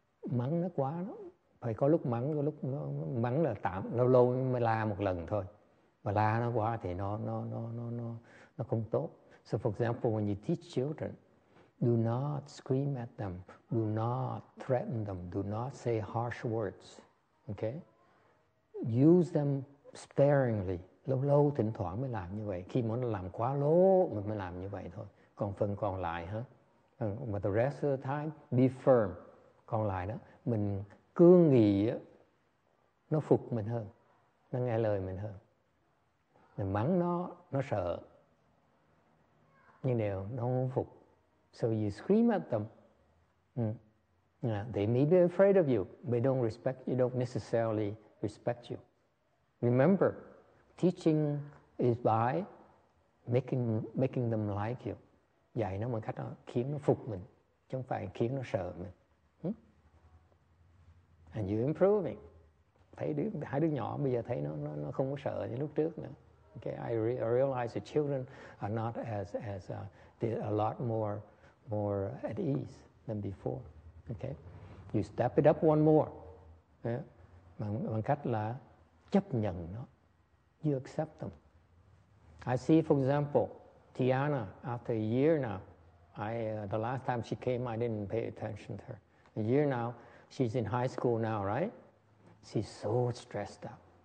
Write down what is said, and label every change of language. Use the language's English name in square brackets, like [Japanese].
[Vietnamese] Mắng nó quá lắm. Phải có lúc mắng, có lúc nó mắng là tạm, lâu lâu mới la một lần thôi. Mà la nó quá thì nó không tốt. [English] So for example, when you teach children, do not scream at them, do not threaten them, do not say harsh words. Okay? Use them sparingly. [Vietnamese] Lâu lâu thỉnh thoảng mới làm như vậy. Khi muốn làm quá lố mình mới làm như vậy thôi. Còn phần còn lại hả? [English] But the rest of the time, be firm. [Vietnamese] Còn lại đó, mình cương nghị á, nó phục mình hơn, nó nghe lời mình hơn. Mình mắng nó sợ. Nhưng nếu nó không phục. [English] So you scream at them. They may be afraid of you, but they don't necessarily respect you. Remember, teaching is by making them like you. [Vietnamese] Dạy nó bằng cách đó, khiến nó phục mình, chứ không phải khiến nó sợ mình. [English] And you're improving. [Vietnamese] Thấy hai đứa nhỏ bây giờ thấy nó không có sợ như lúc trước nữa. [English] Okay, I realize the children are not as a lot more at ease than before. Okay, you step it up one more. Yeah. [Vietnamese] Bằng cách là chấp nhận nó. [English] You accept them. I see, for example, Tiana, after a year now, the last time she came, I didn't pay attention to her. A year now, she's in high school now, right? She's so stressed out.